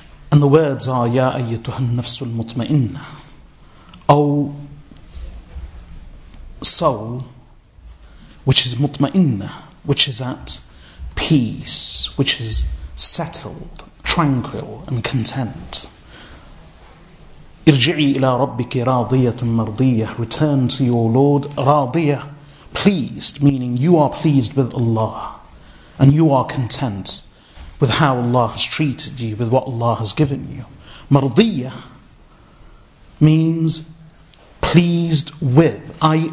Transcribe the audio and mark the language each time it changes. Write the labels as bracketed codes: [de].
[en] And the words are, [ar] يَا أَيَّتُهَا النَّفْسُ الْمُطْمَئِنَّةُ. [en] O soul, which is mutma'innah, which is at peace, which is settled, tranquil and content. [ar] ارجعي إلى ربك راضية مرضية. [en] Return to your Lord, راضية, pleased, meaning you are pleased with Allah. And you are content with how Allah has treated you, with what Allah has given you. Mardiyya means pleased with, i.e.